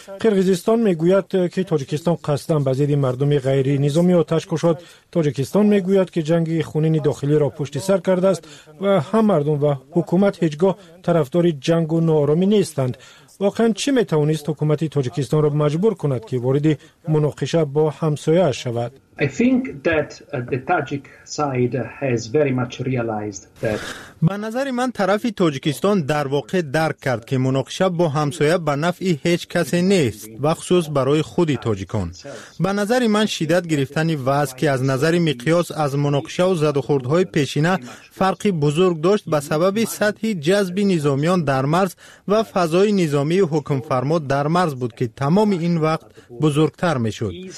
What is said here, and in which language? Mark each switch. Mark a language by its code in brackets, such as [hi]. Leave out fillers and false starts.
[fa] قرقیزستان میگوید که تاجیکستان قصداً به زیر مردم غیر نظامی آتش کشاد. تاجیکستان میگوید که جنگ خونین داخلی را پشت سر کرده است و هم مردم و حکومت هیچگاه طرفدار جنگ و نارامی نیستند. واقعا چی میتوانست حکومت تاجیکستان را مجبور کند که وارد مناقشه با همسایه اش شود؟ [en] I think that the Tajik side has very much realized that. [fa] به نظر من طرف تاجیکستان در واقع درک کرد که مناقشه با همسایه به نفع هیچ کسی نیست و خصوص برای خود تاجیکان. به نظر من شدت گرفتن وضع که از نظر مقیاس از مناقشه و زد و خوردهای پیشینه فرقی بزرگ داشت، به سبب سطح جذب نظامیان در مرز و فضای نظامی حکم فرما در مرز بود که تمام این وقت بزرگتر می شد.